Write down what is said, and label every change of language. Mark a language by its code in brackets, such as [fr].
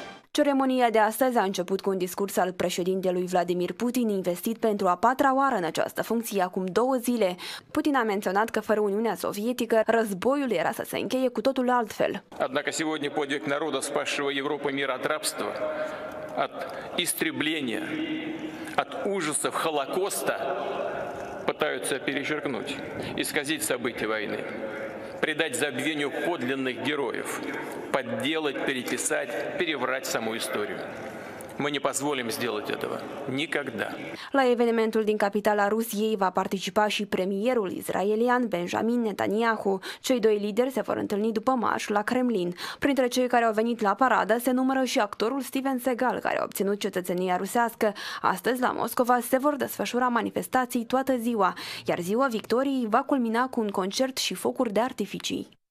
[ro] Ceremonia de astăzi a început cu un discurs al președintelui Vladimir Putin, investit pentru a patra oară în această funcție acum 2 zile. Putin a menționat că fără Uniunea Sovietică, războiul era să se încheie cu totul altfel. [ru] Однако сегодня подвиг народа, спасшего Европу мир от рабства, от истребления, от ужасов Холокоста пытаются перечеркнуть, исказить события войны, предать забвению подлинных героев. Подделать, переписать, переврать саму историю. Мы не позволим сделать этого. Никогда. [ro] La evenimentul din capitala Rusiei va participa și premierul izraelian Benjamin Netanyahu. Cei doi lideri se vor întâlni după marș la Kremlin. Printre cei care au venit la paradă se numără și actorul Steven Seagal, care a obținut cetățenia rusească. Astăzi, la Moscova, se vor desfășura manifestații toată ziua, iar ziua victoriei va culmina cu un concert și focuri de artificii.